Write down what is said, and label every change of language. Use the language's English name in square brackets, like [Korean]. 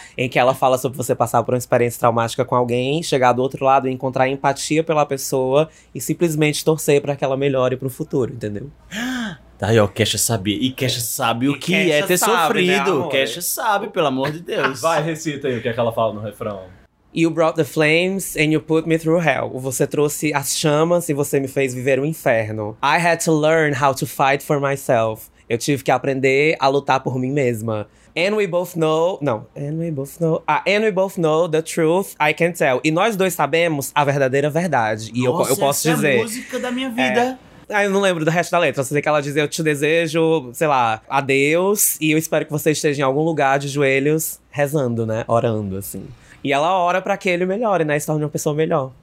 [Portuguese] Em que ela fala sobre você passar por uma experiência traumática com alguém, chegar do outro lado e encontrar empatia pela pessoa e simplesmente torcer pra que ela melhore pro futuro, entendeu? Daí, ó, Kesha sabia. E Kesha sabe o que é ter sofrido. Kesha sabe, pelo amor de Deus. Vai, recita aí o que é que ela fala no refrão. [English] You brought the flames and you put me through hell. [Portuguese] Você trouxe as chamas e você me fez viver um inferno. [English] I had to learn how to fight for myself. [Portuguese] Eu tive que aprender a lutar por mim mesma. [English] And we both know... [Portuguese] Não. [English] And we both know the truth I can tell. [Portuguese] E nós dois sabemos a verdadeira verdade. E nossa, eu posso dizer... Nossa, essa é a música da minha vida. Eu não lembro do resto da letra, só sei que ela dizia, eu te desejo, sei lá, adeus, e eu espero que você esteja em algum lugar de joelhos, rezando, né, orando, assim. E ela ora pra que ele melhore, né, e se torne uma pessoa melhor.